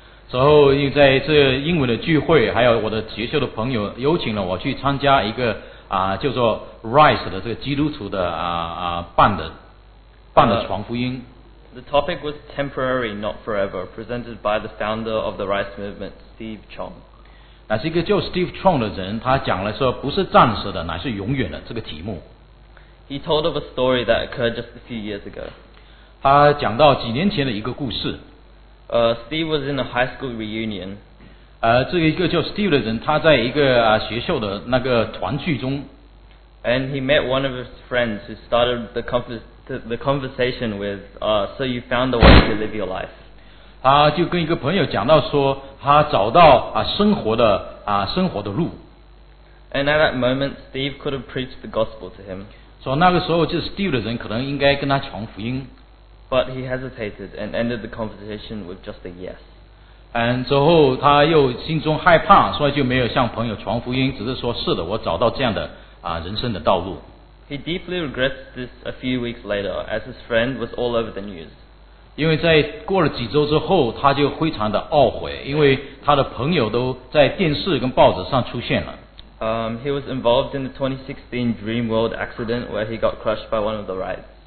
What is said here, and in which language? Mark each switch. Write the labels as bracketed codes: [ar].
[zh] 之后，又在这英文的聚会，还有我的学校的朋友邀请了我去参加一个叫做 Rice 的这个基督徒的办的传福音。 [en] The topic was temporary, not forever, presented by the founder of the Rice Movement, Steve Chong. [zh] 那是一个叫 Steve Chong 的人，他讲了说不是暂时的，乃是永远的这个题目。 [en] He told of a story that occurred just a few years ago. [zh] 他讲到几年前的一个故事。 [en] Steve was in a high school reunion. [zh] 这个一个叫 Steve 的人，他在一个学校的那个团聚中。 [en] And he met one of his friends who started the conversation with, "So you found a way to live your life." [zh] 他就跟一个朋友讲到说，他找到生活的路。 [en] And at that moment, Steve could have preached the gospel to him. [zh] 所以那个时候，就是 Steve 的人可能应该跟他传福音。 [en] But he hesitated and ended the conversation with just a yes. [zh] 然后他又心中害怕，所以就没有向朋友传福音，只是说是的，我找到这样的人生的道路。 [en] He deeply regrets this a few weeks later, as his friend was all over the news. [zh] 因为在过了几周之后，他就非常的懊悔，因为他的朋友都在电视跟报纸上出现了。 [en] He was involved in the 2016 Dreamworld accident where he got crushed by one of the rides.